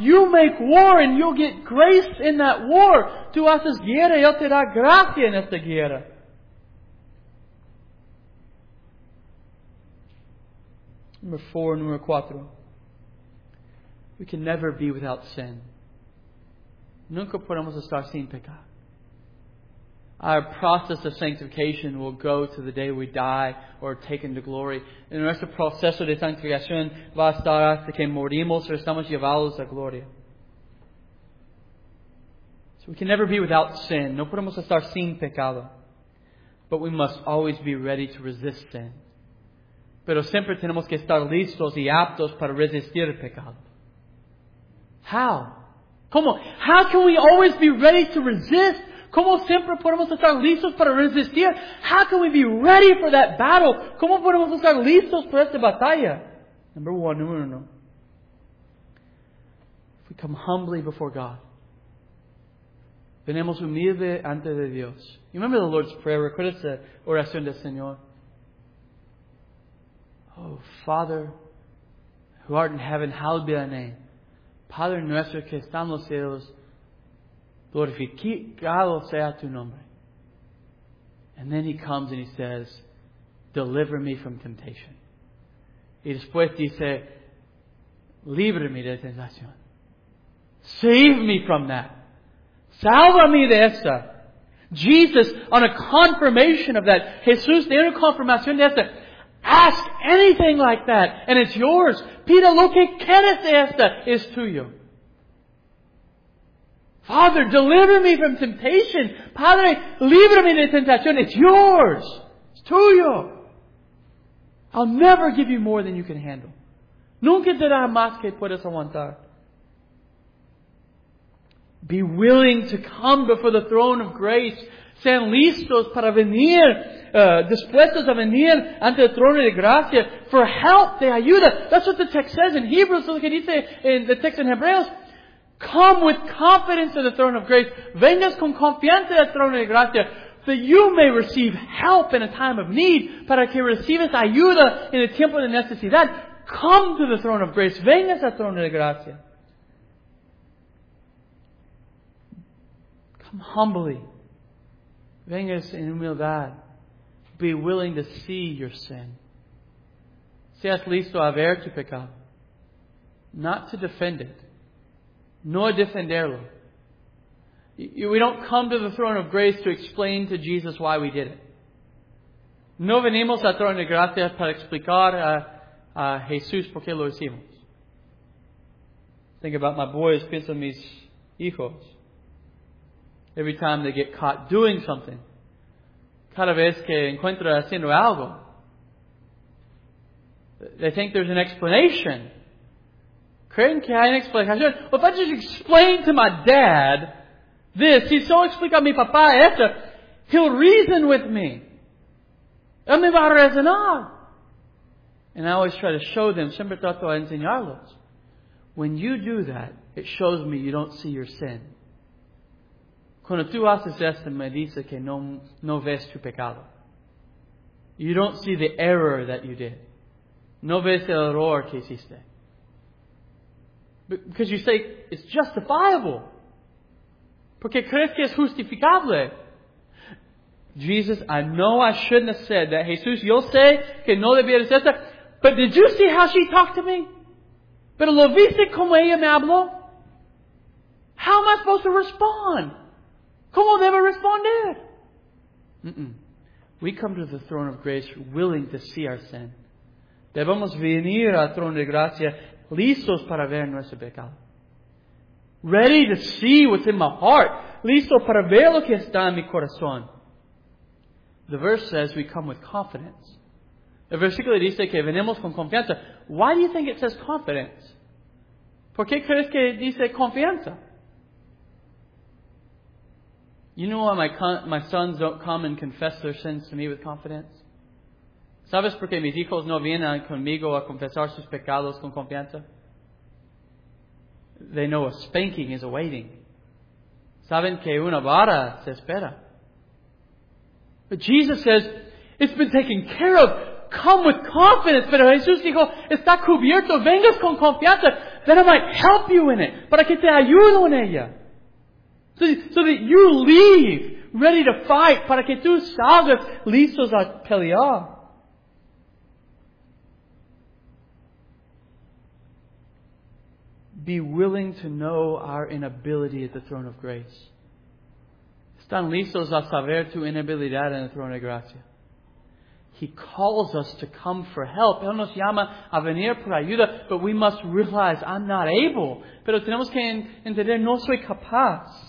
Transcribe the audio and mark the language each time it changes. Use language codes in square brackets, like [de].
[en] You make war and you'll get grace in that war. [es] Tú haces guerra y Él te da gracia en esta guerra. [en] Number four, number cuatro. We can never be without sin. [es] Nunca podemos estar sin pecar. [en] Our process of sanctification will go to the day we die or take into glory. [es] En nuestro proceso de santificación va a estar hasta que morimos o estamos llevados a gloria. [en] So we can never be without sin. [es] No podemos estar sin pecado. [en] But we must always be ready to resist sin. [es] Pero siempre tenemos que estar listos y aptos para resistir el pecado. [en] How? [es] ¿Cómo? [en] How can we always be ready to resist? [es] ¿Cómo siempre podemos estar listos para resistir? [en] How can we be ready for that battle? [es] ¿Cómo podemos estar listos para esta batalla? [en] Number one, [es] número uno. [en] If we come humbly before God. [es] Venimos humilde ante de Dios. [en] You remember the Lord's Prayer? [es] Recuerda esa oración del Señor. [en] Oh, Father, who art in heaven, hallowed be thy name. [es] Padre nuestro que está en los cielos, glorificado sea tu nombre. [en] And then he comes and he says, deliver me from temptation. [es] Y después dice, líbrame de tentación. [en] Save me from that. [es] Sálvame de esta. [en] Jesus, on a confirmation of that, [es] Jesús, de una confirmación de esta, [en] ask anything like that, and it's yours. [es] Pide lo que quieres de esta, es tuyo. [en] Father, deliver me from temptation. [es] Padre, líbrame de tentación. [en] It's yours. It's tuyo. I'll never give you more than you can handle. [es] Nunca te daré más que puedes aguantar. [en] Be willing to come before the throne of grace. [es] Sean listos para venir, dispuestos a venir ante el trono de gracia. [en] For help, [es] de ayuda. [en] That's what the text says in Hebrews. Look what it says in the text in Hebrews. Come with confidence to the throne of grace. [es] Vengas con confianza al trono de gracia. [en] That you may receive help in a time of need. [es] Para que recibas ayuda en el tiempo de necesidad. [en] Come to the throne of grace. [es] Vengas al trono de gracia. [en] Come humbly. [es] Vengas en humildad. [en] Be willing to see your sin. [es] Seas listo a ver tu pecado. [en] Not to defend it. [es] No defenderlo. [en] We don't come to the throne of grace to explain to Jesus why we did it. [es] No venimos al trono de gracia para explicar a Jesús por qué lo hicimos. [en] Think about my boys, [es] pienso en mis hijos. [en] Every time they get caught doing something, [es] cada vez que encuentro haciendo algo, [en] they think there's an explanation. [es] Creen que hay una explicación. [en] Well, if I just explain to my dad this, he's so [es] explica a mi papá esto, [en] he'll reason with me. [es] Él me va a razonar. [en] And I always try to show them, [es] siempre trato de enseñarlos. [en] When you do that, it shows me you don't see your sin. [es] Cuando tú haces esto, me dice que no ves tu pecado. [en] You don't see the error that you did. [es] No ves el error que hiciste. [en] Because you say, it's justifiable. [es] Porque crees que es justificable. [en] Jesus, I know I shouldn't have said that. [es] Jesús, yo sé que no debía decir eso. [en] But did you see how she talked to me? [es] Pero lo viste como ella me habló? [en] How am I supposed to respond? [es] ¿Cómo debo responder? [en] We come to the throne of grace willing to see our sin. [es] Debemos venir al trono de gracia listos para ver nuestro pecado. [en] Ready to see what's in my heart. [es] Listo para ver lo que está en mi corazón. [en] The verse says we come with confidence. [es] El versículo dice que venimos con confianza. [en] Why do you think it says confidence? [es] ¿Por qué crees que dice confianza? [en] You know why my sons don't come and confess their sins to me with confidence? [es] ¿Sabes por qué mis hijos no vienen conmigo a confesar sus pecados con confianza? [en] They know a spanking is awaiting. [es] ¿Saben que una vara se espera? [en] But Jesus says, it's been taken care of. Come with confidence. [es] Pero Jesús dijo, está cubierto. Vengas con confianza. [en] Then I might help you in it. [es] Para que te ayudo en ella. [en] So that you leave ready to fight. [es] Para que tú salgas listos a pelear. [en] Be willing to know our inability at the throne of grace. [es] Están listos a saber tu inabilidad en el trono de gracia. [en] He calls us to come for help. [es] Él nos llama a venir por ayuda, [en] but we must realize, I'm not able. [es] Pero tenemos que entender, no soy capaz.